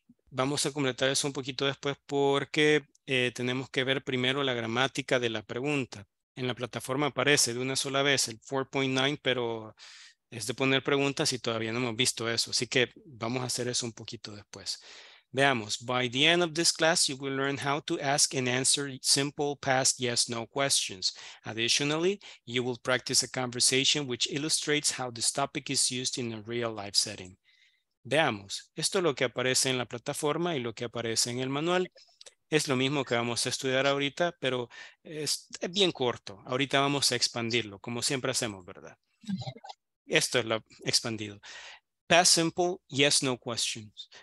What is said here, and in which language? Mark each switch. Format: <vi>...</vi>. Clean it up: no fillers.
<es>Vamos a completar eso un poquito después porque tenemos que ver primero la gramática de la pregunta. En la plataforma aparece de una sola vez el 4.9, pero es de poner preguntas y todavía no hemos visto eso. Así que vamos a hacer eso un poquito después. Veamos.</es> <en>By the end of this class, you will learn how to ask and answer simple past yes, no questions. Additionally, you will practice a conversation which illustrates how this topic is used in a real life setting.</en> <es>Veamos. Esto es lo que aparece en la plataforma y lo que aparece en el manual. Es lo mismo que vamos a estudiar ahorita, pero es bien corto. Ahorita vamos a expandirlo, como siempre hacemos, ¿verdad? Esto es lo expandido.</es> <en>Past simple, yes, no questions.</en>